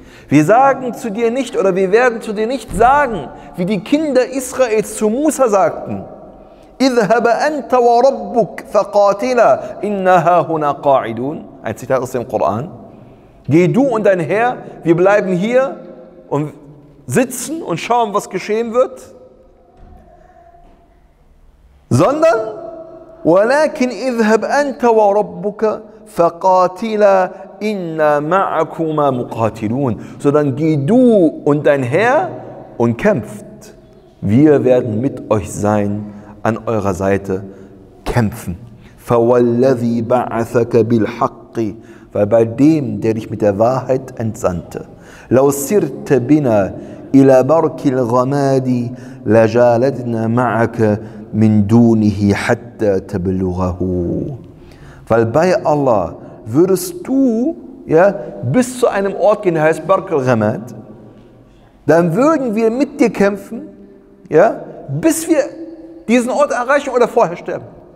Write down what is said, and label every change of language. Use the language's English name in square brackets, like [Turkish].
[German] Wir sagen zu dir nicht, oder wir werden zu dir nicht sagen, wie die Kinder Israels zu Musa sagten, [Arabic] اذهب أنت وربك فقاتلا إن هاهنا قاعدون. [German] Ein Zitat aus dem Koran. Geh du und dein Herr, wir bleiben hier und sitzen und schauen, was geschehen wird. Sondern, [Arabic] ولكن اذهب أنت وربك فقاتلا إن معكما مقاتلون. [German] Sondern geh du und dein Herr und kämpft. Wir werden mit euch sein. An eurer Seite kämpfen. [Arabic] فَوَالَّذِي بَعَثَكَ بِالْحَقِّ [German] Weil bei dem, der dich mit der Wahrheit entsandte, [Arabic] لَوْ سِرْتَ بِنَا إِلَى بَرْكِ الْغَمَادِ لَجَالَدْنَا مَعَكَ مِنْ دُونِهِ حَتَّى تَبْلُغَهُ [German] Weil bei Allah würdest du ja, bis zu einem Ort gehen, der heißt Bark al-Ghamad, dann würden wir mit dir kämpfen, ja, bis wir diesen Ort erreichen oder vorher sterben.